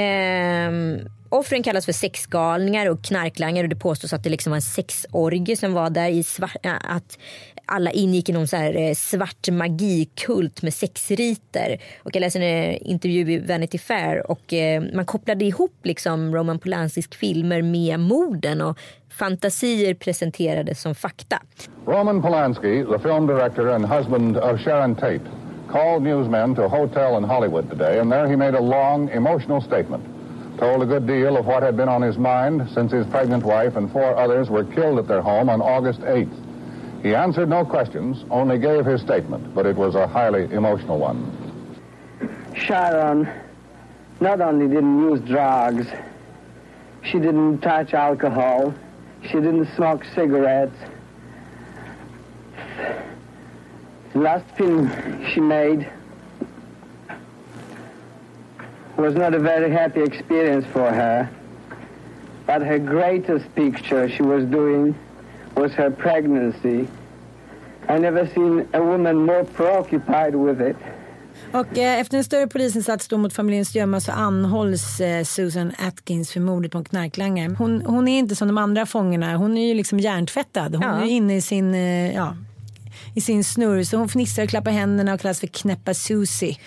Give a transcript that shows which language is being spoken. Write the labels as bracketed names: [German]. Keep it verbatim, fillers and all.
[Swedish] Eh, offren kallas för sexgalningar och knarklangare, och det påstås att det liksom var en sexorgie som var där i svart, äh, att alla ingick i någon så här svart magikult med sexriter. Och jag läste en intervju i Vanity Fair och man kopplade ihop liksom Roman Polanskis filmer med morden, och fantasier presenterades som fakta. [English] Roman Polanski, the film director and husband of Sharon Tate, called newsmen to a hotel in Hollywood today, and there he made a long emotional statement. Told a good deal of what had been on his mind since his pregnant wife and four others were killed at their home on August eighth. He answered no questions, only gave his statement, but it was a highly emotional one. Sharon not only didn't use drugs, she didn't touch alcohol, she didn't smoke cigarettes. The last film she made was not a very happy experience for her, but her greatest picture she was doing was her pregnancy. I never seen a woman more preoccupied with it. [Swedish] Och eh, efter en större polisinsats då mot familjens gömma så anhålls eh, Susan Atkins för mordet på knarklangaren. Hon, hon är inte som de andra fångarna. Hon är ju liksom hjärntvättad. Hon ja. är inne i sin... Eh, ja. i sin snurr, så hon fnissar och klappar händerna och kallas för knäppa Susie.